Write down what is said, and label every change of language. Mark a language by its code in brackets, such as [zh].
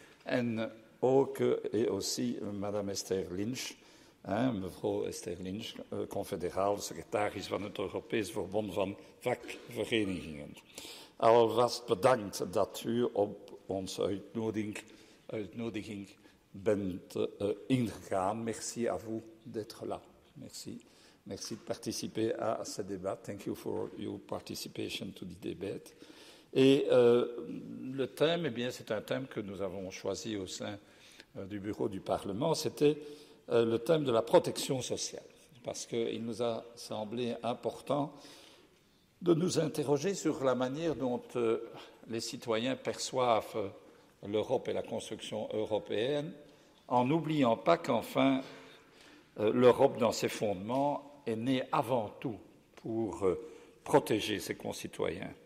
[nl] En ook en [fr] aussi madame [nl] Esther Lynch, mevrouw Esther Lynch, confederaal secretaris van het Europees Verbond van Vakverenigingen. Alvast bedankt dat u op onze uitnodiging bent ingegaan. [fr] Merci à vous d'être là. Merci de participer à ce débat. [en] Thank you for your participation to the debate. [fr] Et le thème, c'est un thème que nous avons choisi au sein du bureau du Parlement, c'était le thème de la protection sociale, parce qu'il nous a semblé important de nous interroger sur la manière dont les citoyens perçoivent l'Europe et la construction européenne, en n'oubliant pas qu'enfin l'Europe dans ses fondements est née avant tout pour protéger ses concitoyens.